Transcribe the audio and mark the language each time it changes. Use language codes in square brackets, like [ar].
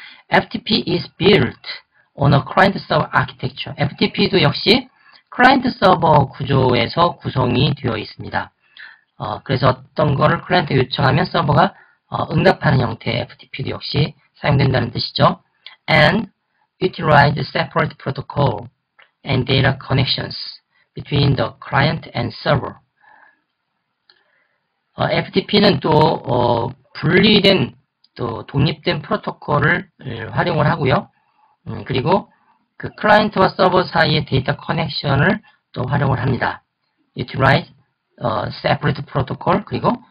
[en] FTP is built on a client server architecture. [ko] FTP도 역시 client server 구조에서 구성이 되어 있습니다. 그래서 어떤 거를 클라이언트 요청하면 서버가 응답하는 형태의 FTP도 역시 사용된다는 뜻이죠. [en] And utilize separate protocol and data connections between the client and server. [ko] FTP는 또 분리된 또 독립된 프로토콜을 활용을 하고요. 그리고 그 클라이언트와 서버 사이의 데이터 커넥션을 또 활용을 합니다. [en] Utilize separate protocol [ko] 그리고